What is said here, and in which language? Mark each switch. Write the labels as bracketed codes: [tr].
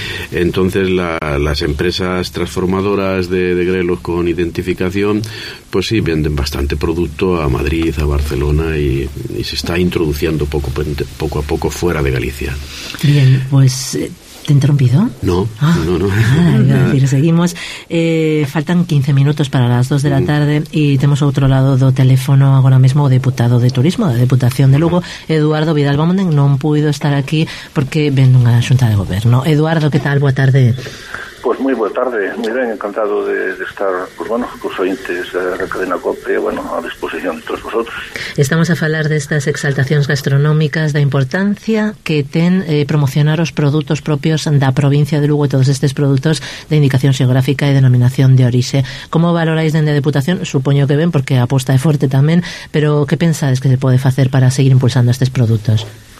[es] Entonces, las empresas transformadoras de grelos con identificación, pues sí, venden bastante producto a Madrid, a Barcelona, y se está introduciendo poco a poco fuera de Galicia. Bien, pues... ¿Te he interrumpido? No. Ah, es decir, seguimos. Faltan 15 minutos para las 2 de la tarde y tenemos a otro lado do teléfono ahora mismo, deputado de Turismo, de Deputación de Lugo, Eduardo Vidal Bomonden. [gl] Non puido estar aquí porque vendo unha xunta de goberno. Eduardo, que tal? Boa tarde. [es] Pues muy buena tarde, muy bien, encantado de estar, pues bueno, con ointes de Cadena COPE, bueno, a disposición de todos vosotros. [gl] Estamos a falar de estas exaltacións gastronómicas, da importancia que ten promocionar os produtos propios da provincia de Lugo e todos estes produtos de indicación xeográfica e denominación de orixe. Como valoráis dende a Deputación? Supoño que ben, porque a aposta é forte tamén, pero que pensades que se pode facer para seguir impulsando estes produtos?